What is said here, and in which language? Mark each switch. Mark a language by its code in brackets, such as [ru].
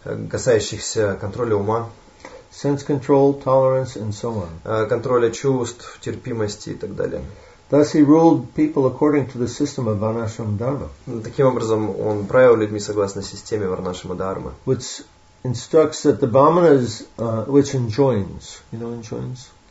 [ru] Касающихся контроля ума. [en] Sense control, tolerance, and so on. [ru] Контроля чувств, терпимости и так далее. [en] Thus he ruled people according to the system of Varnashram Dharma. [ru] Таким образом, он правил людьми согласно системе Варнашрама Дхармы. [en] Which instructs that the brahmanas, which enjoins, you know, enjoins?